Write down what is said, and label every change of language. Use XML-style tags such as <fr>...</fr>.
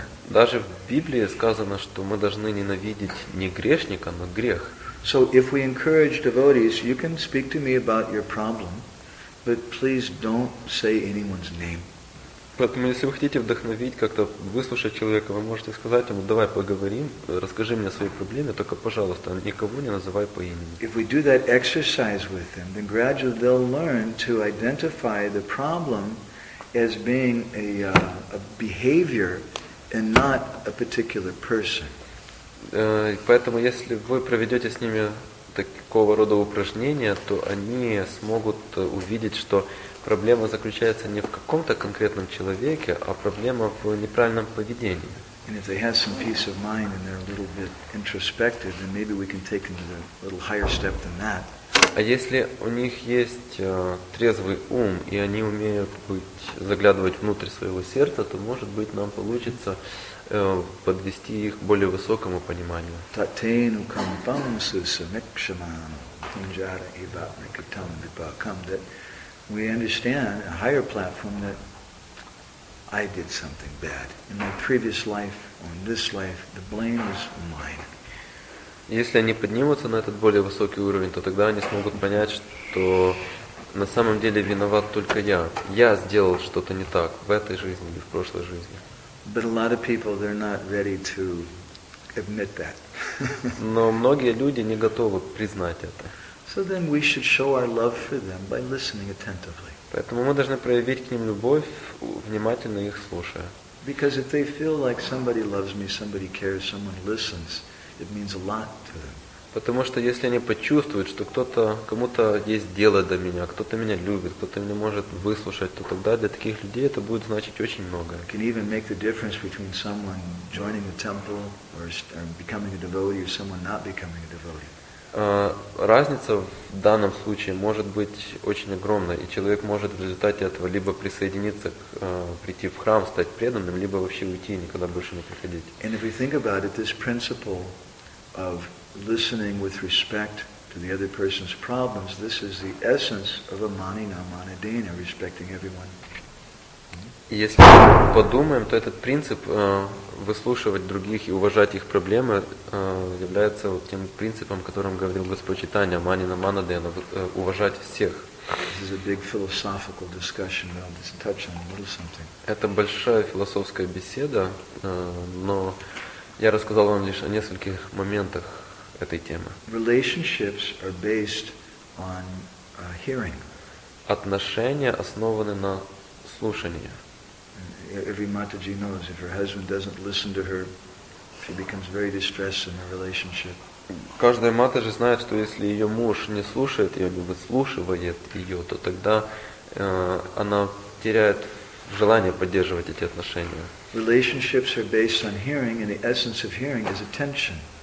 <ru>Даже в Библии сказано, что мы должны ненавидеть не грешника, но грех.</ru> <en>So if we encourage devotees, you can speak to me about your problem, but please don't say anyone's name.</en> <ru>Поэтому, если вы хотите вдохновить, как-то выслушать человека, вы можете сказать ему: давай поговорим, расскажи мне о своей проблеме, только, пожалуйста, никого не называй по имени.</ru> <en>If we do that exercise with them, then gradually they'll learn to identify the problem as being a behavior and not a particular person.</en> <ru>Поэтому, если вы проведете с ними такого рода упражнения, то они смогут увидеть, что проблема заключается не в каком-то конкретном человеке, а проблема в неправильном поведении.</ru> <en>And if they have some peace of mind and they're a little bit introspective, then maybe we can take them to a little higher step than that.</en> <ru>А если у них есть трезвый ум и они умеют быть заглядывать внутрь своего сердца, то может быть нам получится подвести их к более высокому пониманию.</ru> <sa>Татейну кампам сусамикшаману кунджара ива мекатам випакам.</sa> <en>We understand a higher platform that I did something bad. In my previous life, or in this life, the blame is mine.</en> <ru>Если они поднимутся на этот более высокий уровень, то тогда они смогут понять, что на самом деле виноват только я. Я сделал что-то не так в этой жизни или в прошлой жизни.</ru> <en>But a lot of people, they're not ready to admit that.</en> <ru>Но многие люди не готовы признать это.</ru> <en>So then we should show our love for them by listening attentively.</en> <ru>Поэтому мы должны проявить к ним любовь, внимательно их слушая.</ru> <en>Because if they feel like somebody loves me, somebody cares, someone listens, it means a lot to them.</en> <ru>Потому что если они почувствуют, что кто-то, кому-то есть дело до меня, кто-то меня любит, кто-то меня может выслушать, то тогда для таких людей это будет значить очень многое.</ru> <en>Can even make the difference between someone joining the temple or becoming a devotee or someone not becoming a devotee.</en> <ru>Разница в данном случае может быть очень огромной, и человек может в результате этого либо присоединиться, прийти в храм, стать преданным, либо вообще уйти и никогда больше не приходить.</ru> <en>And if we think about it, this principle of listening with respect to the other person's problems, this is the essence of a mani na mani dana, respecting everyone.</en> <ru>Если подумаем, то этот принцип выслушивать других и уважать их проблемы является вот тем принципом, о котором говорил Господь Чайтанья, манина манадена, уважать всех.</ru> <en>This is a big philosophical discussion, but I'll just touch on a little something.</en> <ru>Это большая философская беседа, но я рассказал вам лишь о нескольких моментах этой темы.</ru> <en>Relationships are based on hearing.</en> <ru>Отношения основаны на слушании.</ru> <en>Every Mataji knows if her husband doesn't listen to her, she becomes very distressed in her relationship.</en> <ru>Каждая матаджи знает, что если ее муж не слушает ее, не выслушивает ее, то тогда она теряет желание поддерживать эти отношения.</ru> <en>Relationships are based on hearing, and the essence of hearing is attention.</en>